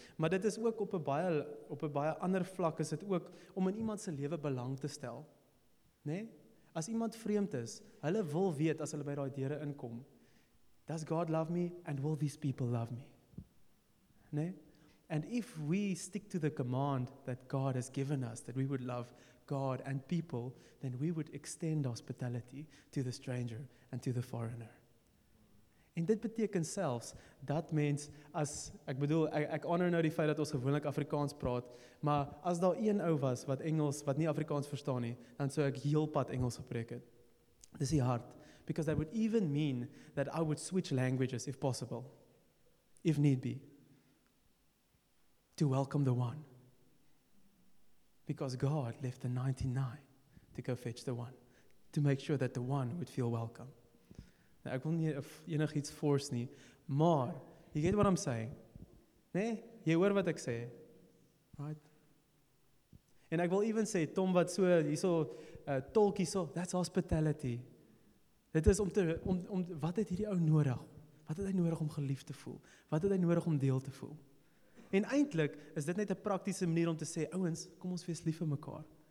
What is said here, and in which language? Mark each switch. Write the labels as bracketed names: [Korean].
[Afrikaans] Maar dit is ook op 'n baie ander vlak is dit ook om in iemand se lewe belang te stel. Nee? As iemand vreemd is, hulle wil weet as hulle by daai deure inkom. [English] Does God love me and will these people love me? Nee? And if we stick to the command that God has given us, that we would love God and people, then we would extend hospitality to the stranger and to the foreigner. [Afrikaans] En dit beteken selfs dat mens, as, ek bedoel, ek honor nou die feit dat ons gewoonlik Afrikaans praat, maar as daar een ou was wat Engels, wat nie Afrikaans verstaan nie, dan sou ek heel pad Engels gepreek het. Dis die hart. [English] Because that would even mean that I would switch languages if possible, if need be, to welcome the one. Because God left the 99 to go fetch the one, to make sure that the one would feel welcome. [Afrikaans] Nou, ek wil nie enig iets force nie, maar, you get what I'm saying? Nee, jy hoor wat ek sê, right? En ek wil even sê, Tom, wat so, jy so, tolk jy so, that's hospitality. Dit is om te, om wat het hierdie ou nodig? Wat het hy nodig om geliefd te voel? Wat het hy nodig om deel te voel? En eindelijk is dit net 'n praktiese manier om te sê, ouwens, kom ons wees lief vir mekaar.